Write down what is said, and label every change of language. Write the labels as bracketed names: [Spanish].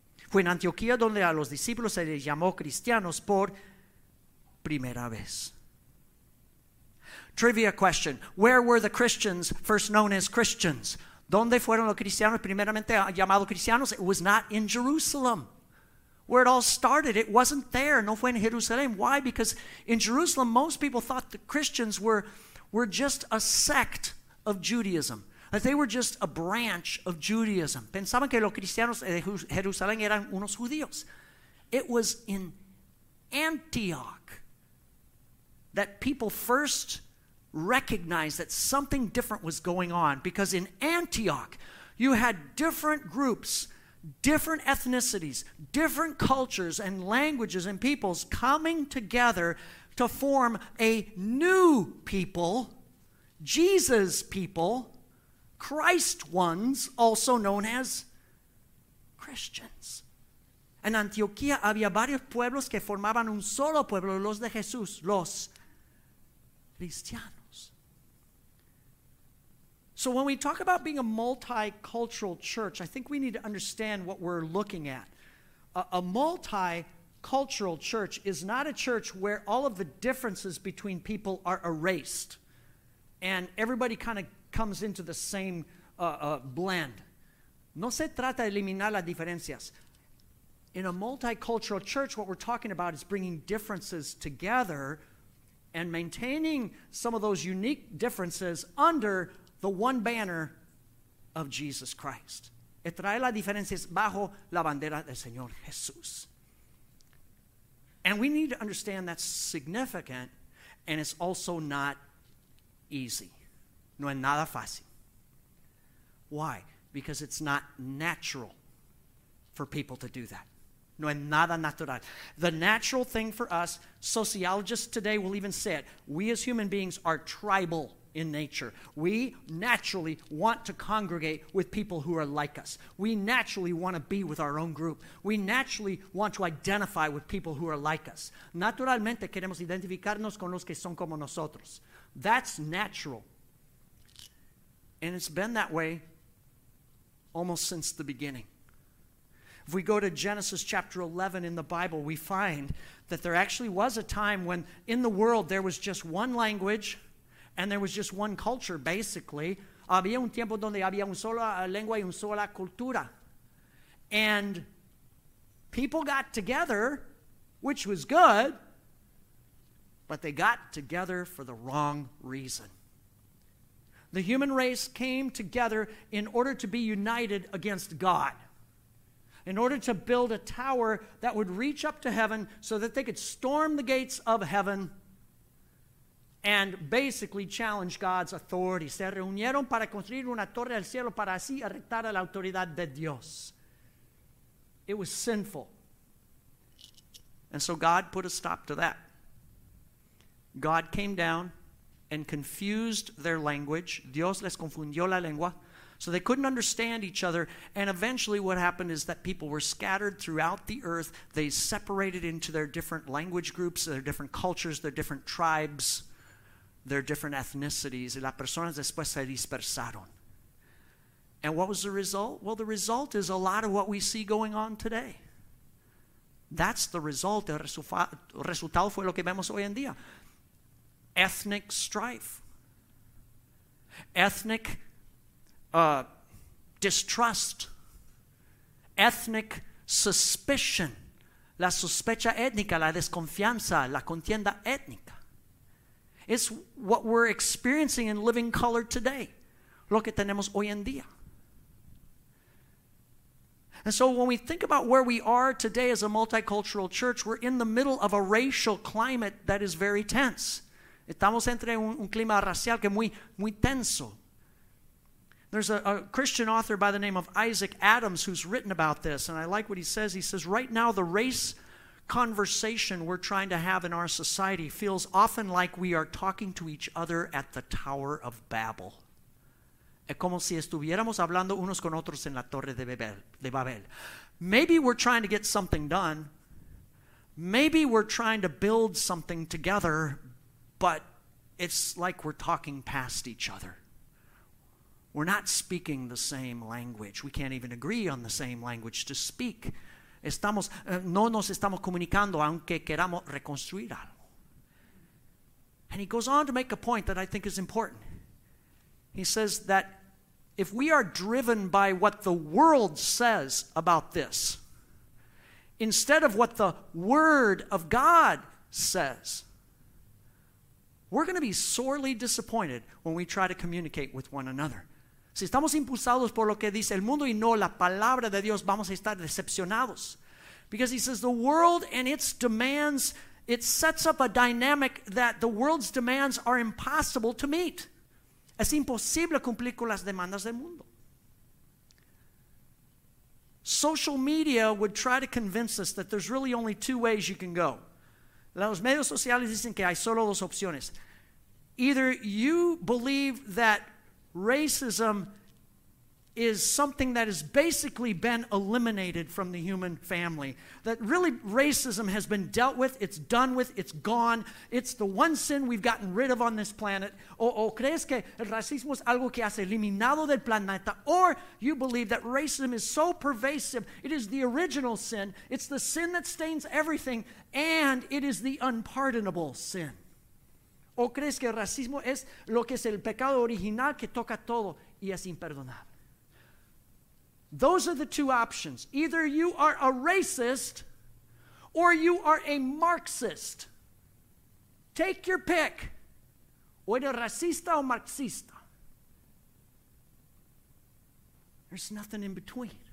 [Spanish] Fue en Antioquía donde a los discípulos se les llamó cristianos por primera vez. [English] Trivia question. Where were the Christians first known as Christians? [Spanish] ¿Dónde fueron los cristianos primeramente llamados cristianos? [English] It was not in Jerusalem. where it all started. It wasn't there. [Spanish] No fue en Jerusalén. [English] Why? Because in Jerusalem, most people thought the Christians were just a sect of Judaism, that they were just a branch of Judaism. [Spanish] Pensaban que los cristianos de Jerusalén eran unos judíos. [English] It was in Antioch that people first recognized that something different was going on, because in Antioch, you had different groups, different ethnicities, different cultures and languages and peoples coming together to form a new people, Jesus' people, Christ ones, also known as Christians. [Spanish] En Antioquía había varios pueblos que formaban un solo pueblo, los de Jesús, los cristianos. [English] So when we talk about being a multicultural church, I think we need to understand what we're looking at. A multicultural church is not a church where all of the differences between people are erased and everybody kind of comes into the same blend. [Spanish] No se trata de eliminar las diferencias. [English] In a multicultural church, what we're talking about is bringing differences together and maintaining some of those unique differences under the one banner of Jesus Christ. [Spanish] Traer las diferencias bajo la bandera del Señor Jesús. [English] And we need to understand that's significant, and it's also not easy. [Spanish] No es nada fácil. [English] Why? Because it's not natural for people to do that. [Spanish] No es nada natural. [English] The natural thing for us, sociologists today will even say it, we as human beings are tribal in nature. We naturally want to congregate with people who are like us. We naturally want to be with our own group. We naturally want to identify with people who are like us. [Spanish] Naturalmente queremos identificarnos con los que son como nosotros. [English] That's natural. And it's been that way almost since the beginning. If we go to Genesis chapter 11 in the Bible, we find that there actually was a time when in the world there was just one language and there was just one culture, basically. [Spanish] Había un tiempo donde había una sola lengua y una sola cultura. [English] And people got together, which was good, but they got together for the wrong reason. The human race came together in order to be united against God, in order to build a tower that would reach up to heaven so that they could storm the gates of heaven and basically challenge God's authority. [Spanish] Se reunieron para construir una torre del cielo para así arrestar a la autoridad de Dios. [English] It was sinful. And so God put a stop to that. God came down and confused their language. [Spanish] Dios les confundió la lengua. [English] So they couldn't understand each other. And eventually what happened is that people were scattered throughout the earth. They separated into their different language groups, their different cultures, their different tribes, their different ethnicities. [Spanish] Y las personas después se dispersaron. [English] And what was the result? Well, the result is a lot of what we see going on today. That's the result. [Spanish] El resultado fue lo que vemos hoy en día. [English] Ethnic strife. Ethnic distrust, ethnic suspicion, [Spanish] la sospecha étnica, la desconfianza, la contienda étnica. [English] It's what we're experiencing in living color today, [Spanish] lo que tenemos hoy en día. [English] And so when we think about where we are today as a multicultural church, we're in the middle of a racial climate that is very tense. [Spanish] Estamos entre un clima racial que muy tenso. [English] There's a Christian author by the name of Isaac Adams who's written about this, and I like what he says. He says, right now the race conversation we're trying to have in our society feels often like we are talking to each other at the Tower of Babel. [Spanish] Es como si estuviéramos hablando unos con otros en la Torre de Babel. [English] Maybe we're trying to get something done. Maybe we're trying to build something together, but it's like we're talking past each other. We're not speaking the same language. We can't even agree on the same language to speak. [Spanish] No nos estamos comunicando aunque queramos reconstruir algo. [English] And he goes on to make a point that I think is important. He says that if we are driven by what the world says about this, instead of what the Word of God says, we're going to be sorely disappointed when we try to communicate with one another. [Spanish] Si estamos impulsados por lo que dice el mundo y no la palabra de Dios, vamos a estar decepcionados. [English] Because he says the world and its demands, it sets up a dynamic that the world's demands are impossible to meet. [Spanish] Es imposible cumplir con las demandas del mundo. [English] Social media would try to convince us that there's really only two ways you can go. [Spanish] Los medios sociales dicen que hay solo dos opciones. [English] Either you believe that racism is something that has basically been eliminated from the human family, that really racism has been dealt with, it's done with, it's gone, it's the one sin we've gotten rid of on this planet. [Spanish] O crees que el racismo es algo que has eliminado del planeta, [English] or you believe that racism is so pervasive, it is the original sin, it's the sin that stains everything, and it is the unpardonable sin. [Spanish] O crees que el racismo es lo que es el pecado original que toca todo y es imperdonable. [English] Those are the two options. Either you are a racist or you are a Marxist. Take your pick. [Spanish] O eres racista o marxista. [English] There's nothing in between.